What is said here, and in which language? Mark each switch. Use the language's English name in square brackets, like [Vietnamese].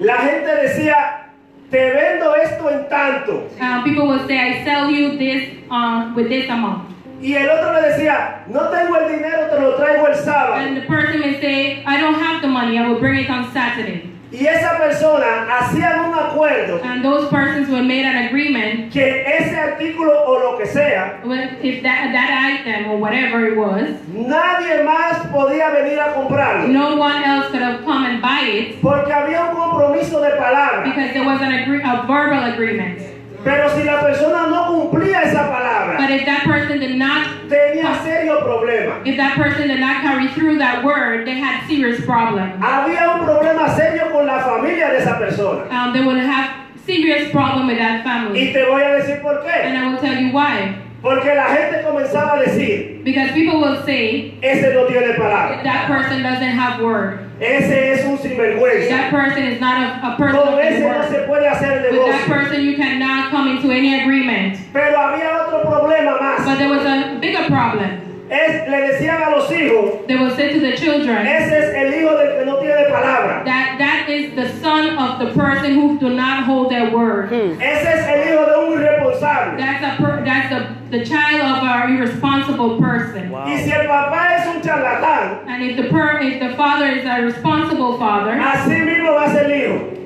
[Spanish] La gente decía, te vendo esto en tanto. [English] People would say, I sell you this with this amount. [Spanish] Y el otro le decía, no tengo el dinero, te lo traigo el sábado. [English] And the person may say, I don't have the money, I will bring it on Saturday. [Spanish] Y esa persona hacía un acuerdo. [English] And those persons were made an agreement. [Spanish] Que ese artículo o lo que sea. [English] If that item or whatever it was. [Spanish] Nadie más podía venir a comprarlo. [English] No one else could have come and buy it. [Spanish] Porque había un compromiso de palabra. [English] Because there was a verbal agreement. [Spanish] Pero si la persona no cumplía esa palabra. [English] But if that person did not. [Spanish] Tenía serio problema. [English] If that person did not carry through that word, they had serious problem. [Spanish] Había un problema serio con la familia de esa persona. [English] They would have serious problem with that family. [Spanish] Y te voy a decir por qué. [English] And I will tell you why. [Spanish] Porque la gente comenzaba a decir. [English] Because people will say. [Spanish] Ese no tiene palabra. [English] That person doesn't have word. [Spanish] Ese es un sinvergüenza. [English] That person is not a person. [Spanish] Con ese no se puede hacer negocio. [English] With that person you cannot come into any agreement. [Spanish] Pero había otro problema más. [English] But there was a bigger problem. [Spanish] Le decían a los hijos. [English] They will say to the children. [Spanish] Ese es el hijo del que no tiene palabra. [English] That is the son of the person who do not hold their word. [Spanish] Ese es el hijo de un irresponsable. [English] That's the child of an irresponsible person. [Spanish] Wow. Y si el papá es un charlatán. [English] And if the father is a responsible father. [Spanish] Así mismo va a ser el hijo.